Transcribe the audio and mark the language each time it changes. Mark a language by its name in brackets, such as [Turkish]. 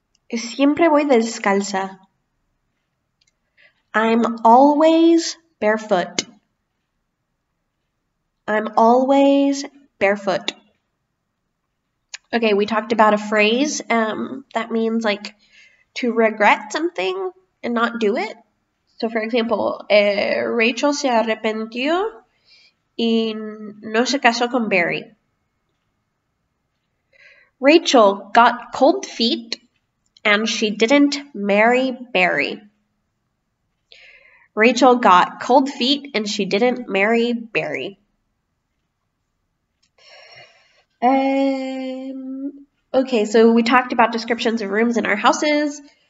[Spanish] Siempre voy descalza. [English] I'm always barefoot. I'm always barefoot. Okay, we talked about a phrase that means like to regret something and not do it. So, for example, [Spanish] Rachel se arrepintió y no se casó con Barry. [English] Rachel got cold feet and she didn't marry Barry. Rachel got cold feet and she didn't marry Barry. Okay, so we talked about descriptions of rooms in our houses.